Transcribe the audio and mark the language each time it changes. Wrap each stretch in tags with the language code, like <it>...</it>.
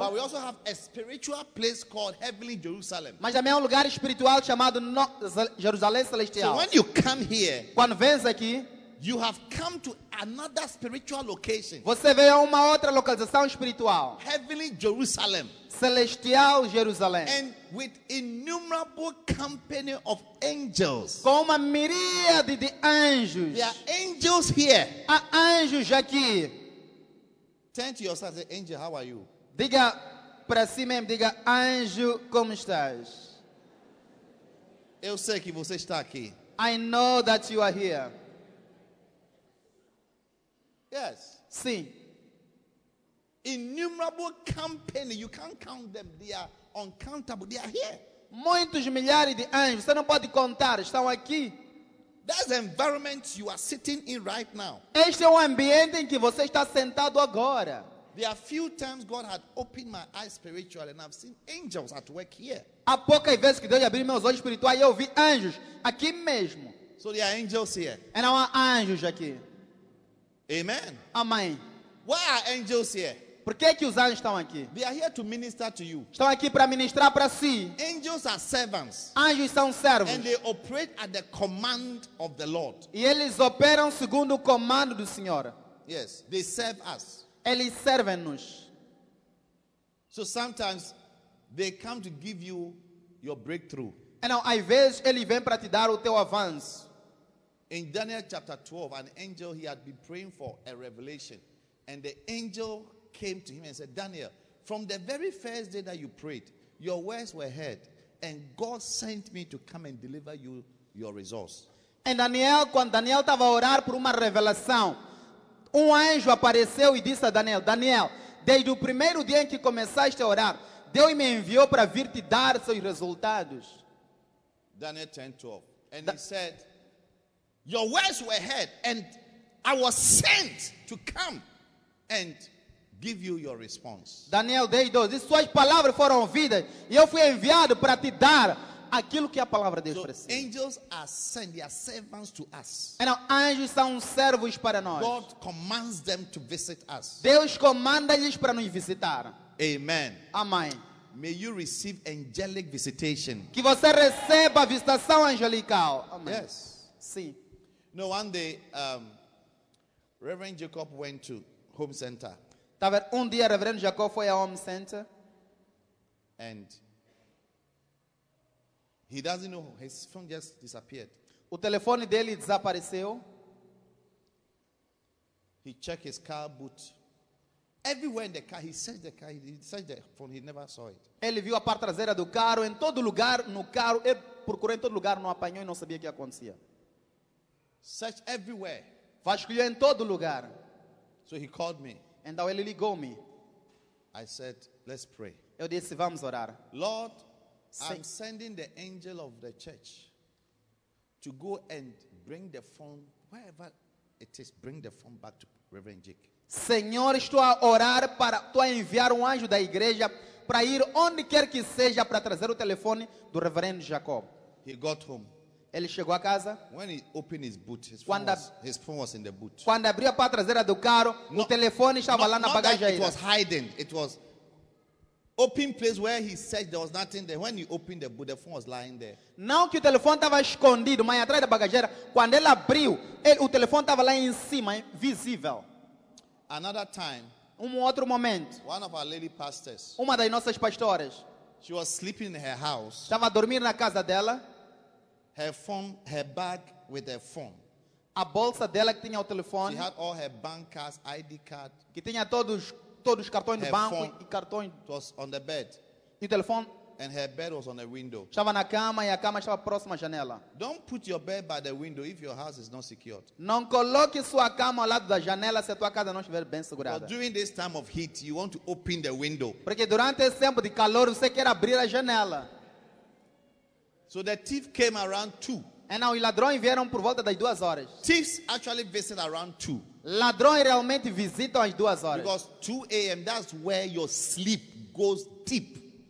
<en>But we also have a spiritual place called heavenly Jerusalem.</en> <pt>Mas também é um lugar espiritual chamado Jerusalém celestial.</pt> <en>So when you come here,</en> <pt>quando vens aqui,</pt> <en>you have come to another spiritual location.</en> <pt>Você veio a uma outra localização espiritual.</pt> <en>Heavenly Jerusalem.</en> <pt>Celestial Jerusalém.</pt> <en>And with innumerable company of angels.</en> <pt>Com uma miríade de anjos.</pt> <en>There are angels here.</en> <pt>Há anjos aqui.</pt> <en>Turn to yourself and say, angel, how are you?</en> <pt>Diga para si mesmo, diga, anjo, como estás? Eu sei que você está aqui.</pt> <en>I know that you are here. Yes.</en> <pt>Sim.</pt> <en>Innumerable company, you can't count them. They are uncountable. They are here.</en> <pt>Muitos milhares de anjos, você não pode contar, estão aqui.</pt> <en>That's the environment you are sitting in right now.</en> <pt>Este é o ambiente em que você está sentado agora.</pt> <en>There are few times God had opened my eyes spiritually and I've seen angels at work here.</en> <pt>Há poucas vezes que Deus abriu meus olhos espirituais e eu vi anjos aqui mesmo.</pt> <en>So there are angels here.</en> <pt>E não há anjos aqui.</pt> <en>Amen.</en> <pt>Amém.</pt> <en>Why are angels here?</en> <pt>Por que que os anjos estão aqui?</pt> <en>They are here to minister to you.</en> <pt>Estão aqui para ministrar para si.</pt> <en>Angels are servants.</en> <pt>Anjos são servos.</pt> <en>And they operate at the command of the Lord.</en> <pt>E eles operam segundo o comando do Senhor.</pt> <en>Yes, they serve us.</en> <pt>Eles servem-nos.</pt> <en>So sometimes they come to give you your breakthrough.</en> <pt>E não, às vezes ele vem para te dar o teu avanço.</pt> <en>In Daniel chapter 12, an angel, he had been praying for a revelation. And the angel came to him and said, Daniel, from the very first day that you prayed, your words were heard. And God sent me to come and deliver you your results.</en> <pt>And Daniel, quando Daniel estava a orar por uma revelação, anjo apareceu e disse a Daniel, Daniel, desde o primeiro dia em que começaste a orar, Deus me enviou para vir te dar seus resultados.</pt> <en>Daniel 10:12. And he said, your words were heard, and I was sent to come and give you your response. Daniel 10:12.</en> <pt>Suas palavras foram ouvidas, e eu fui enviado para te dar aquilo que a palavra de Deus precisa.</pt> <en>So angels are sent, they are servants to us.</en> <pt>Então, anjos são servos para nós.</pt> <en>God commands them to visit us.</en> <pt>Deus comanda-lhes para nos visitar.</pt> <en>Amen.</en> <pt>Amém.</pt> <en>May you receive angelic visitation.</en> <pt>Que você receba a visitação angelical. Amém.</pt> <en>Yes.</en> <pt>Sim.</pt> <en>No, one day, Reverend Jacob went to Home Center.</en> <pt>Tava dia Reverendo Jacob foi ao Home Center,</pt> <en>and he doesn't know, his phone just disappeared.</en> <pt>O telefone dele desapareceu.</pt> <en>He checked his car boot. Everywhere in the car, he searched the car, he searched the phone. He never saw it.</en> <pt>Ele viu a parte traseira do carro, em todo lugar no carro, ele procurou em todo lugar, não apanhou e não sabia o que acontecia.</pt> <en>Search everywhere.</en> <pt>Vasculhou em todo lugar.</pt> <en>So he called me.</en> <pt>Então ele ligou me.</pt> <en>I said, let's pray.</en> <pt>Eu disse, vamos orar.</pt> <en>Lord, I'm sending the angel of the church to go and bring the phone, wherever it is, bring the phone back to Reverend Jake.</en> <pt>Senhor, estou a orar para tu enviar anjo da igreja para ir onde quer que seja para trazer o telefone do Reverendo Jacob.</pt> <en>He got home.</en> <pt>Ele chegou a casa.</pt> <en>When he opened his boot, his phone was in the boot.</en> <pt>Quando abriu a parte traseira do carro, o telefone estava lá na bagagem.</pt> <en>It was hiding. It was open place where he said there was nothing there. When he opened the boot, the phone was lying there.</en> <pt>Não que o telefone estava escondido, mas atrás da bagageira. Quando ele abriu, o telefone estava lá em cima, visível.</pt> <en>Another time.</en> <pt>Outro momento.</pt> <en>One of our lady pastors.</en> <pt>Uma das nossas pastoras.</pt> <en>She was sleeping in her house.</en> <pt>Estava a dormir na casa dela.</pt> <en>her phone, her bag with her phone.</en> <pt>A bolsa dela que tinha o telefone.</pt> <en>She had all her bank cards, ID card.</en> <pt>Que tinha todos os cartões do banco e cartões.</pt> <en>It was on the bed.</en> <pt>E o telefone.</pt> <en>And her bed was on the window.</en> <pt>Estava na cama e a cama estava próxima à janela.</pt> <en>Don't put your bed by the window if your house is not secured.</en> <pt>Não coloque sua cama ao lado da janela se a tua casa não estiver bem segurada.</pt> <en>But during this time of heat, you want to open the window.</en> <pt>Porque durante esse tempo de calor você quer abrir a janela.</pt> <en>So the thief came around 2.</en> <pt>E now, os ladrões vieram por volta das 2 horas.</pt> <en>Thieves actually visit around 2.</en> <pt>Ladrões realmente visitam às 2 horas.</pt> <en>Because 2 a.m. that's where your sleep goes deep.</en>